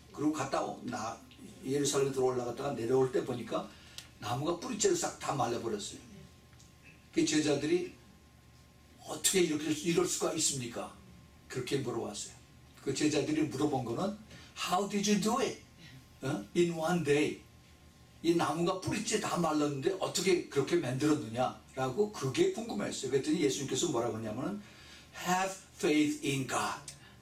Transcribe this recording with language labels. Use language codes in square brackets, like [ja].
[ko] 그리고 예루살렘 들어 올라갔다가 내려올 때 보니까 나무가 뿌리째로 싹 다 말려버렸어요. 그 제자들이 어떻게 이럴 수가 있습니까? 그렇게 물어봤어요. 그 제자들이 물어본 거는 [en] How did you do it? 어? In one day. [ko] 이 나무가 뿌리째 다 말랐는데 어떻게 그렇게 만들었느냐? 라고 그게 궁금했어요. 그랬더니 예수님께서 뭐라고 하냐면 [en] Have faith in God.